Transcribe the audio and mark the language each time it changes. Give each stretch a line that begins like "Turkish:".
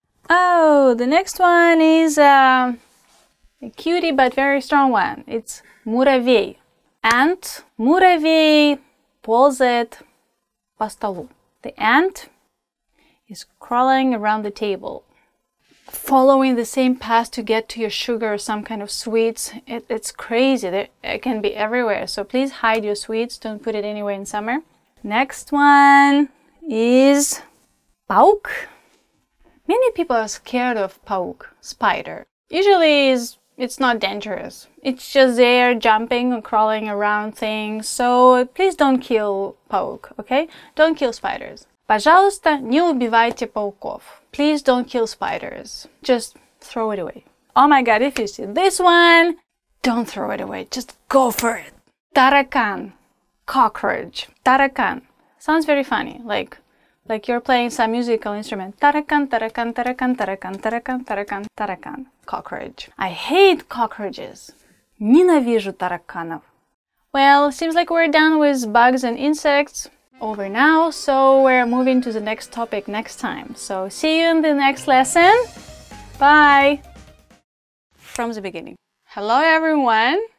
English: Oh, the next one is a cutie but very strong one. It's муравей.
Russian: Ant, муравей ползает по столу.
English: The ant is crawling around the table, following the same path to get to your sugar or some kind of sweets. It's crazy. It can be everywhere. So please hide your sweets. Don't put it anywhere in summer. Next one is паук. Many people are scared of паук, spider. Usually it's not dangerous. It's just there jumping and crawling around things. So please don't kill паук, okay? Don't kill spiders.
Russian: Пожалуйста, не убивайте пауков.
English: Please don't kill spiders. Just throw it away. Oh my God, if you see this one, don't throw it away. Just go for it. Таракан. Cockroach. Таракан. Sounds very funny. Like you're playing some musical instrument.
Russian: Таракан, таракан, таракан, таракан, таракан, таракан, таракан.
English: Cockroach. I hate cockroaches.
Russian: Ненавижу тараканов.
English: Well, seems like we're done with bugs and insects over now. So we're moving to the next topic next time. So see you in the next lesson. Bye. From the beginning. Hello, everyone.